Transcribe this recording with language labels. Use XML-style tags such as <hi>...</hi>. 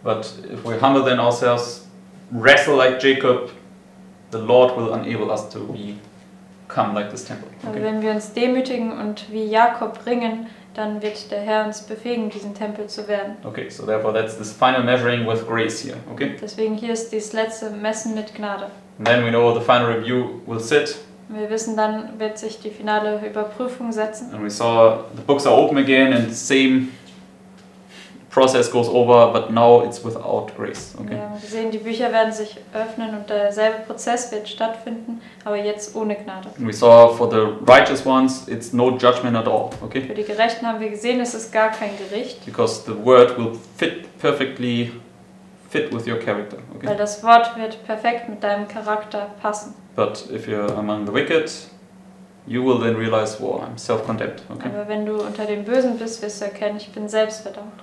<en>But if we humble then ourselves, wrestle like Jacob, the Lord will enable us to become like this temple. Okay.</en> <de>Wenn wir uns demütigen und wie Jakob ringen, dann wird der Herr uns befähigen, diesen Tempel zu werden.</de> <en>Okay, so therefore that's this final measuring with grace here. Okay.</en> <de>Deswegen hier ist dieses letzte Messen mit Gnade.</de> <en>And then we know the final review will sit.</en> <de>Wir wissen, dann wird sich die finale Überprüfung setzen.</de> <en>And we saw the books are open again and the same process goes over, but now it's without grace. Okay.</en> <de>Wir haben gesehen, die Bücher werden sich öffnen und derselbe Prozess wird stattfinden, aber jetzt ohne Gnade.</de> <en>And we saw for the righteous ones, it's no judgment at all. Okay.</en> <de>Für die Gerechten haben wir gesehen, es ist gar kein Gericht.</de> <en>Because the word will fit perfectly fit with your character. Okay.</en> <de>Weil das Wort wird perfekt mit deinem Charakter passen.</de> <en>But if you're among the wicked, you will then realize, wow, I'm self-condemned. Okay.</en> <de>Aber wenn du unter den Bösen bist, wirst du erkennen, ich bin selbstverdammt.</de>